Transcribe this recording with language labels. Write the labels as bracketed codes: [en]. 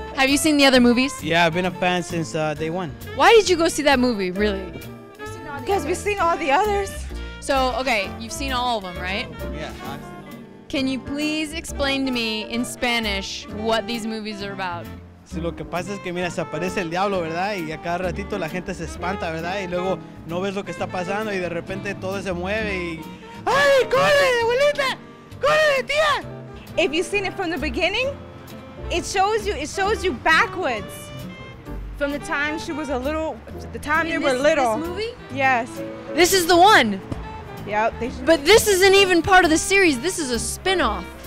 [en] Have you seen the other movies? Yeah, I've been a fan since day one. Why did you go see that movie, really? Because we've seen all the others. So, okay, you've seen all of them, right? Yeah. Can you please explain to me in Spanish what these movies are about? [es] Sí, lo que pasa es que mira, se aparece el diablo, ¿verdad? Y a cada ratito la gente se espanta, ¿verdad? Y luego no ves lo que está pasando y de repente todo se mueve y ¡ay, corre, abuelita! ¡Corre, tía! [en] If you've seen it from the beginning, it shows you backwards. From the time she was a little, the time in they this, were little. This movie? Yes. This is the one. Yep, but this isn't even part of the series. This is a spin-off.